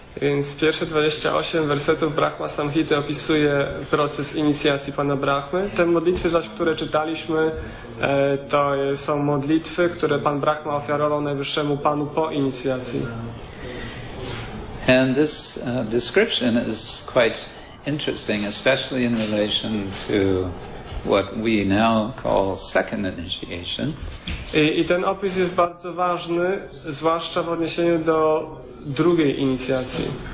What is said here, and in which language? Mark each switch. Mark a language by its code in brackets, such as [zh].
[pl] Więc pierwsze 28 wersetów Brahma Samhity opisuje proces inicjacji Pana Brahmy. Te modlitwy zaś, które czytaliśmy, to są modlitwy, które Pan Brahma ofiarował Najwyższemu Panu po inicjacji. [en] And this description is quite interesting, especially in relation to what we now call second initiation. [pl] I ten opis jest bardzo ważny, zwłaszcza w odniesieniu do drugiej inicjacji.